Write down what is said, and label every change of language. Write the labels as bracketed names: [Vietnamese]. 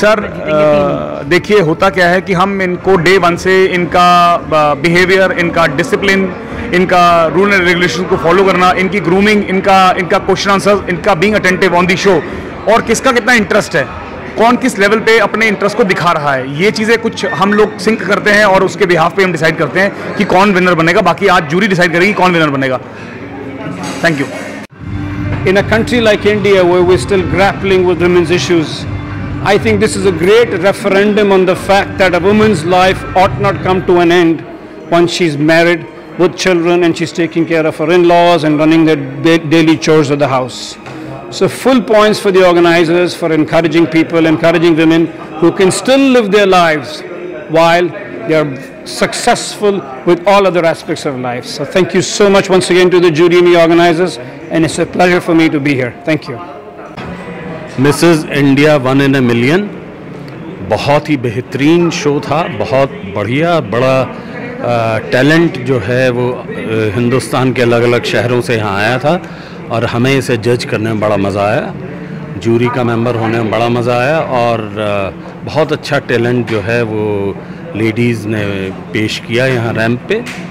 [Hindi] Sir देखिए, होता क्या है कि हम इनको डे 1 से इनका बिहेवियर, इनका डिसिप्लिन, इनका रूल एंड रेगुलेशन को फॉलो करना, इनकी ग्रूमिंग, इनका इनका क्वेश्चन आंसर, इनका being attentive on the show, और किसका कितना इंटरेस्ट है, कौन किस लेवल पे अपने इंटरेस्ट को दिखा रहा है, ये चीज़ें कुछ हम लोग सिंक करते हैं और उसके बिहाफ पे हम डिसाइड करते हैं कि कौन विनर बनेगा। बाकी आज जूरी डिसाइड करेगी कौन विनर बनेगा। [English] Thank you. In a country like India, where we're still grappling with women's issues, I think this is a great referendum on the fact that a woman's life ought not come to an end once she's married with children and she's taking care of her in-laws and running the daily chores of the house. So full points for the organizers for encouraging people, encouraging women who can still live their lives while they are successful with all other aspects of life. So thank you so much once again to the jury and the organizers. And it's a pleasure for me to be here. Thank you. Mrs. [Hindi] India 1 in a million, बहुत ही बेहतरीन show था, बहुत बढ़िया, बड़ा talent जो है वो हिंदुस्तान के अलग अलग शहरों से यहाँ आया था और हमें इसे जज करने में बड़ा मज़ा आया, जूरी का मेंबर होने में बड़ा मज़ा आया, और बहुत अच्छा टैलेंट जो है वो लेडीज़ ने पेश किया यहाँ रैंप पे।